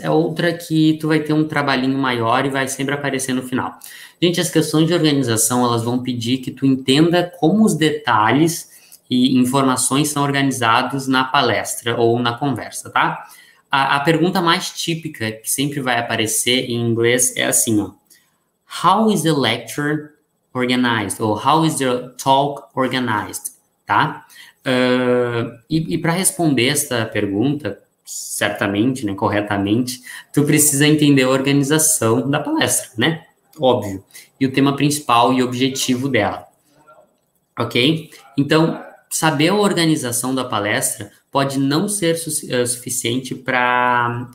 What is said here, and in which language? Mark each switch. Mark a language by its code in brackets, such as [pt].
[pt] É outra que tu vai ter um trabalhinho maior e vai sempre aparecer no final. Gente, as questões de organização, elas vão pedir que tu entenda como os detalhes e informações são organizados na palestra ou na conversa, tá? A pergunta mais típica que sempre vai aparecer em inglês é assim, ó. [en] How is the lecture organized? Ou how is the talk organized? [pt] Tá? E para responder esta pergunta, certamente, né, corretamente, tu precisa entender a organização da palestra, né? Óbvio. E o tema principal e objetivo dela. Ok? Então, saber a organização da palestra pode não ser suficiente para...